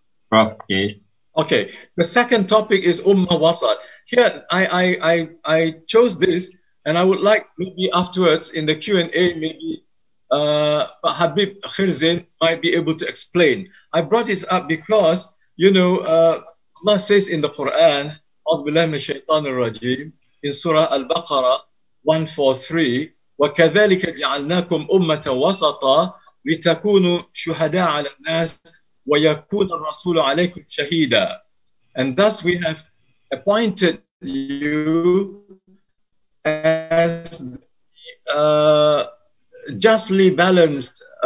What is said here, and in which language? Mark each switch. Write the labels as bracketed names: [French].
[English] Prof. Okay. Okay, the second topic is Ummah Wasat. Here, I chose this, and I would like maybe afterwards in the Q&A, maybe Habib Khirzin might be able to explain. I brought this up because, you know, Allah says in the Quran, [Arabic] أعوذ بالله من الشيطان الرجيم, [English] in Surah Al-Baqarah 143, [Arabic] وَكَذَلِكَ جَعَلْنَاكُمْ أُمَّةً وَسَطًا لِتَكُونُوا شُهَدَاءَ عَلَى النَّاسِ وَيَكُونَ الرَّسُولُ عَلَيْكُمْ شَهِيدًا. [English] And thus we have appointed you as the justly balanced